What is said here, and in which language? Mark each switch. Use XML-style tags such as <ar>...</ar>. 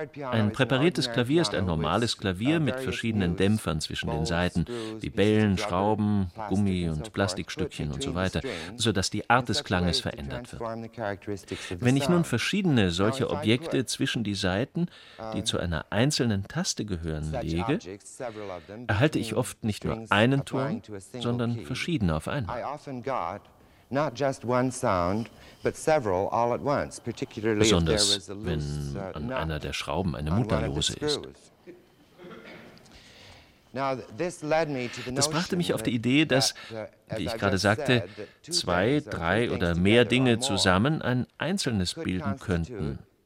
<de>Ein präpariertes Klavier ist ein normales Klavier mit verschiedenen Dämpfern zwischen den Saiten, wie Bällen, Schrauben, Gummi und Plastikstückchen und so weiter, sodass die Art des Klanges verändert wird. Wenn ich nun verschiedene solche Objekte zwischen die Saiten, die zu einer einzelnen Taste gehören, lege, erhalte ich oft nicht nur einen Ton, sondern verschiedene auf einmal.</de> <en>Not just one sound, but several all at once, particularly</en> <de>besonders,</de> <en>if there</en> <de>wenn an einer der Schrauben eine Mutterlose ist. Das brachte mich auf die Idee, dass, wie ich gerade sagte, zwei, drei oder mehr Dinge zusammen ein einzelnes bilden könnten,</de>